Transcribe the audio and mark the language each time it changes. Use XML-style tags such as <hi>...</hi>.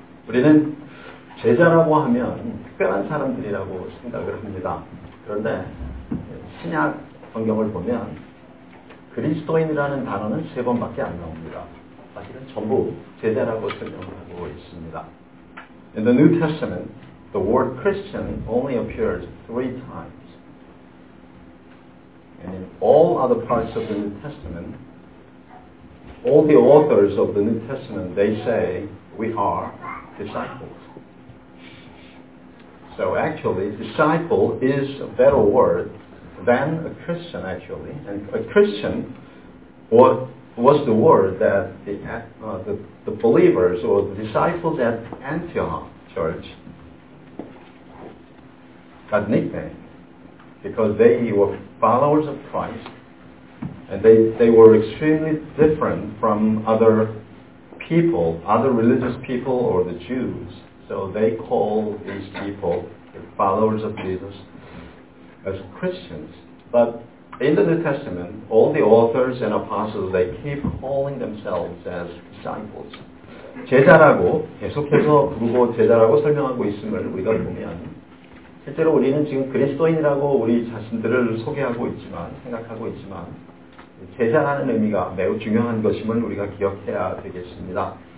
<ko>우리는 제자라고 하면 특별한 사람들이라고 생각을 합니다. 그런데 신약 성경을 보면 그리스도인이라는 단어는 세 번밖에 안 나옵니다. 사실은 전부 제자라고 설명하고 있습니다.</ko> <en>In the New Testament, the word Christian only appears three times. And in all other parts of the New Testament, all the authors of the New Testament, they say, we are disciples. So actually, disciple is a better word than a Christian, actually. And a Christian was the word that the believers or the disciples at Antioch Church got nicknamed because they were followers of Christ and they were extremely different from other people, other religious people or the Jews. So they call these people, the followers of Jesus, as Christians. But in the New Testament, all the authors and apostles, they keep calling themselves as disciples.</en> <ko>제자라고 계속해서 부르고 제자라고 설명하고 있음을 우리가 보면 실제로 우리는 지금 그리스도인이라고 우리 자신들을 소개하고 있지만 생각하고 있지만 제자라는 의미가 매우 중요한 것임을 우리가 기억해야 되겠습니다.</ko>